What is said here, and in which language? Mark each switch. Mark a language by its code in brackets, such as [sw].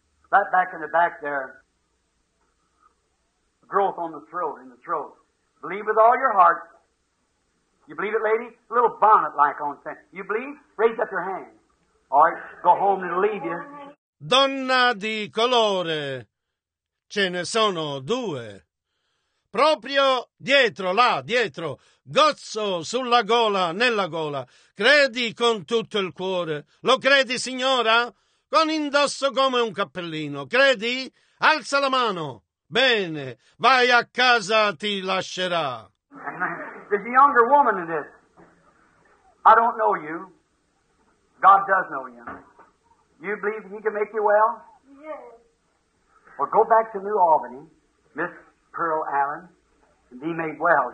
[en] Right back in the back there, a growth on the throat, in the throat. Believe with all your heart. You believe it, lady? A little bonnet-like on the thing. You believe? Raise up your hand. All right, go home and leave you. [it] Donna di colore, ce ne sono due. Proprio dietro, là, dietro, gozzo sulla gola, nella gola. Credi con tutto il cuore. Lo credi, signora? Con indosso come un cappellino, credi? Alza la mano. Bene, vai a casa, ti lascerà. [en] There's a younger woman in this. I don't know you. God does know you. You believe he can make you well? Yes. Well, go back to New Albany, Miss Pearl Allen, and be made well.